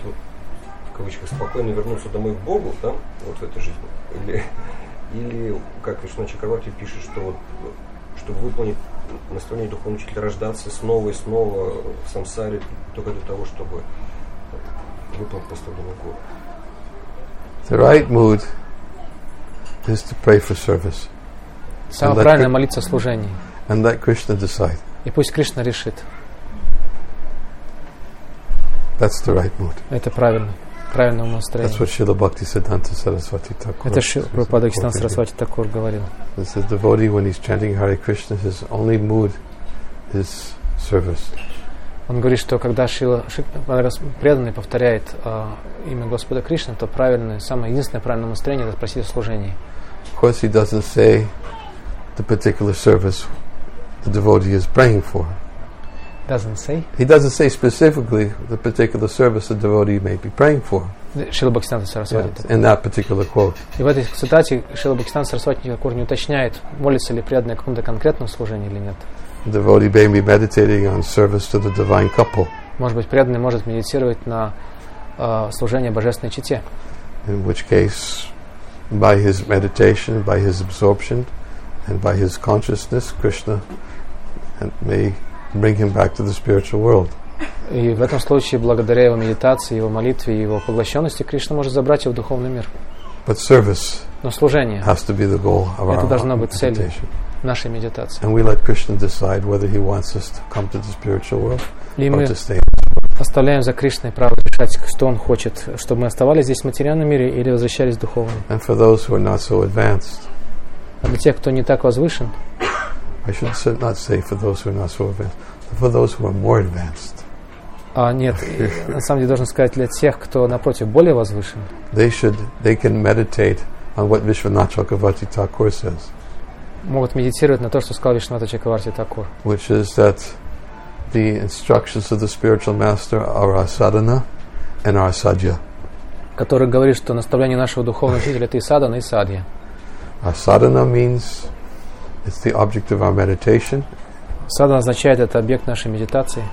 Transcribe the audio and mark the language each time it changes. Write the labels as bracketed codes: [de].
[ru] В кавычках, спокойно вернуться домой к Богу, да, вот в этой жизни, или как Вишна Чакравати пишет, что вот, чтобы выполнить наставление духовного учителя, рождаться снова и снова в самсаре, только для того, чтобы выполнить поставленную гору. [en] The right mood is to pray for service. [ru] Самое правильное молиться о служении. [en] And let Krishna decide. [ru] И пусть Кришна решит. [en] That's the right mood. [ru] Это правильно. Правильного настроения. [en] That's what Srila Bhaktisiddhanta Sarasvati Thakur. [ru] Это Шрила Прабхупада Бхактисиддханта Сарасвати Такур говорил. [en] This is devotee when he's chanting Hare Krishna, his only mood is service. [ru] Он говорит, что когда Шрила преданный повторяет имя Господа Кришны, то правильное, самое единственное правильное настроение — это просить о служении. [en] Of course, he doesn't say the particular service the devotee is praying for. He doesn't say specifically the particular service the devotee may be praying for. [ru] Шрила Бхактисиддханта Сарасвати. [en] In that particular quote. [ru] И в этой цитате Шрила Бхактисиддханта Сарасвати Такур не уточняет, молится ли преданный о каком-то конкретном служении или нет. [en] The devotee may be meditating on service to the divine couple. [ru] Может быть, преданный может медитировать на служение божественной чете. [en] In which case, by his meditation, by his absorption, and by his consciousness, Krishna may bring him back to the spiritual world. [ru] И в этом случае, благодаря его медитации, его молитве, его поглощенности, Кришна может забрать его в духовный мир. [en] But service. [ru] Но служение. [en] Has to be the goal of our. [ru] Это должно быть целью нашей медитации. [en] And we let Krishna decide whether he wants us to come to the spiritual world or to stay. [ru] И мы оставляем за Кришной право решать, что он хочет, чтобы мы оставались здесь в материальном мире или возвращались в духовный. [en] And for those who are not so advanced. [ru] А для тех, кто не так возвышен. [en] I should not say for those who are not so advanced, but for those who are more advanced. [ru] Нет, на самом деле должен сказать для тех, кто напротив более возвышен. [en] They can meditate on what Vishwanatha Chakravarti Thakur says. [ru] Могут медитировать на то, что сказал Вишванатха Чакраварти Такур. [en] Which is that the instructions of the spiritual master are our sadhana and our sadhya. [ru] Который говорит, что наставление нашего духовного учителя — это и садхана, и садья. [en] Our sadhana means it's the object of our meditation. [ru] Садхана означает это объект нашей медитации.